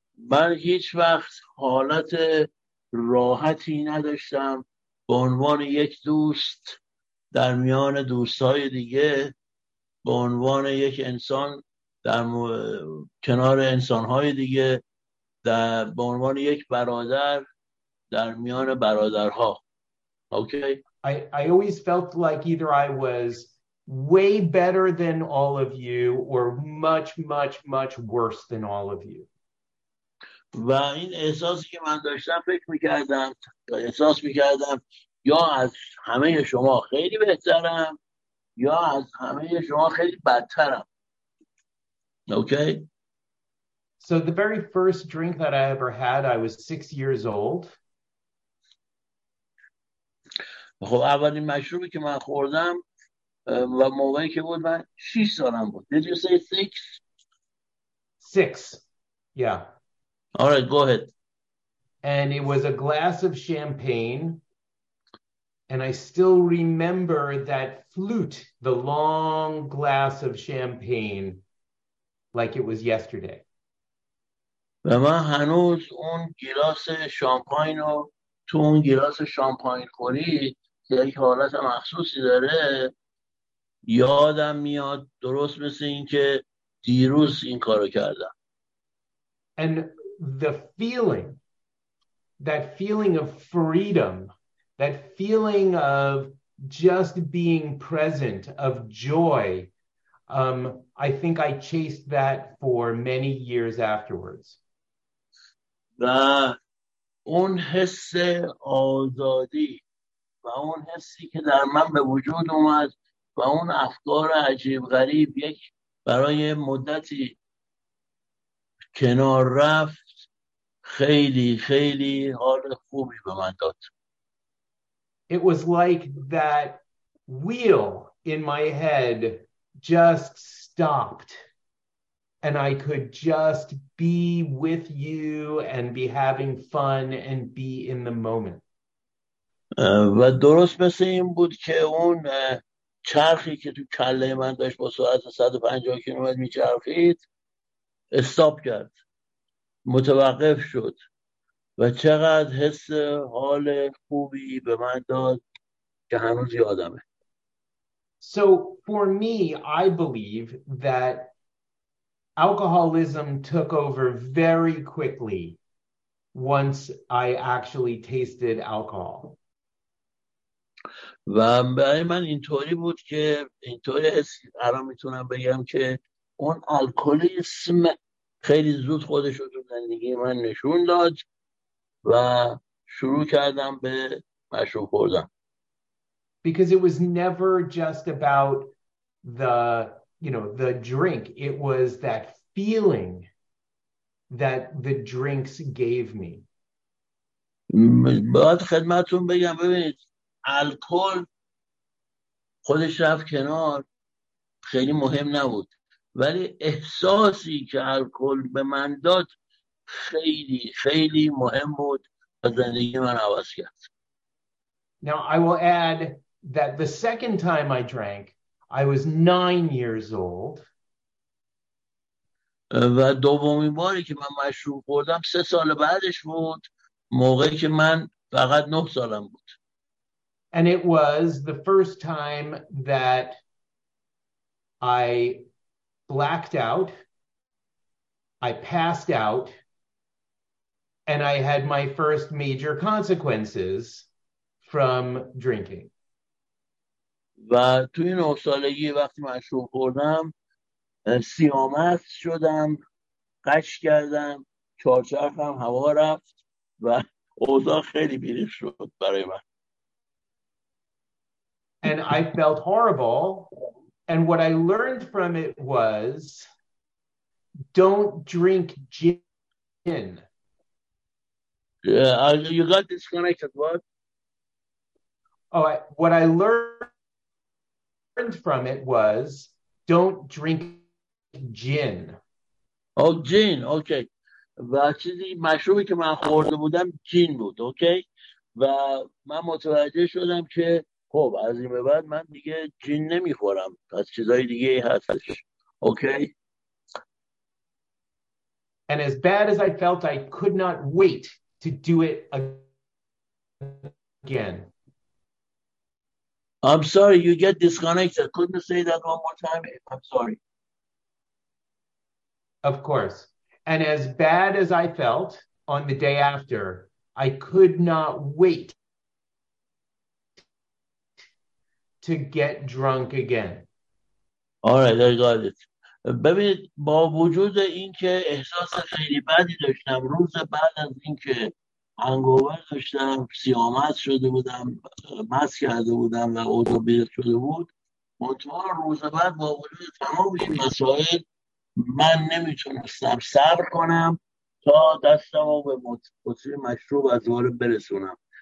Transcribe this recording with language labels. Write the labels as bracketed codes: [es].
[fa] من هیچ وقت حالت راحتی نداشتم به عنوان یک دوست در میان دوستای دیگه، به عنوان یک انسان در کنار انسانهای دیگه، در به عنوان یک برادر در میان برادرها. [en] Okay? I always felt like either I was way better than all of you or much much much worse than all of you. [fa] و این احساسی که من داشتم، فکر میکردم، احساس میکردم یا از همه شما خیلی بهترم یا از همه شما خیلی بدترم. [en] Okay? So the very first drink that I ever had, I was 6 years old. [fa] خب اولین مشروبی که من خوردم و موقعی که بود من 6 سالم بود. [en] Did you say six? Six. Yeah. All right, go ahead. And it was a glass of champagne. And I still remember that flute, the long glass of champagne, like it was yesterday. [fa] و من هنوز اون گلاس شامپاین رو تو اون گلاس شامپاین خوری که یک حالت مخصوصی داره یادم میاد، درست مثل این که دیروز این کارو کردم. [en] And the feeling of freedom, that feeling of just being present, of joy, I think I chased that for many years afterwards. [fa] و اون حس آزادی و اون حسی که در من به وجود اومد و اون افکار عجیب غریب یک برای مدتی کنار رفت، خیلی خیلی حال خوبی به من داد. [en] It was like that wheel in my head just stopped and I could just be with you and be having fun and be in the moment. [fa] و درست مثل این بود که اون چرخی که تو کله من داشت با سرعت 150 کیلومتر می‌چرخید، استاب کرد، متوقف شد و چقدر حس حال خوبی به من داد که هنوز یادمه. [en] So for me, I believe that alcoholism took over very quickly once I actually tasted alcohol. [fa] و برای من اینطوری بود که اینطوری الان میتونم بگم که اون الکلیسم خیلی زود خودش رو در زندگی من نشون داد و شروع کردم به مشروب خوردن. [en] Because it was never just about the, you know, the drink. It was that feeling that the drinks gave me. [fa] باید خدمتون بگم ببینید الکل خودش رفت کنار، خیلی مهم نبود، ولی احساسی که الکل به من داد خیلی خیلی مهم بود و زندگی من عوض کرد. [en] Now I will add that the second time I drank, I was 9 years old. [fa] و دومین باری که من مشروب خوردم 3 سال بعدش بود، موقعی که من فقط 9 سالم بود. [en] And it was the first time that I blacked out, I passed out, and I had my first major consequences from drinking. [fa] و توی 9 سالگی وقتی مشروب خوردم سیامست شدم، قش کردم، چارچرخم هوا رفت و اوضاع خیلی بیریخ شد برای من. [en] And I felt horrible, and what I learned from it was don't drink gin. Yeah, you got disconnected, what? Oh, what I learned from it was don't drink gin. Oh, gin, okay. [fa] و چیزی مشروبی که من خورده بودم جین بود، اوکی؟ و من متوجه شدم که خب از این به بعد من دیگه جین نمیخورم، پس چیزای دیگه هستش، اوکی؟ [en] And as bad as I felt, I could not wait to do it again. I'm sorry, you get disconnected. Couldn't say that one more time. I'm sorry. Of course. And as bad as I felt on the day after, I could not wait to get drunk again. All right, I got it. [fa] ببینید با وجود اینکه احساس خیلی بدی داشتم، روز بعد از اینکه هنگوور داشتم، سیامست شده بودم، مست کرده بودم و اوضاع بیرد شده بود، مطمئن روز بعد با وجود تمام این مسائل من نمیتونستم صبر کنم تا دستمو به بطری مشروب از بار برسونم.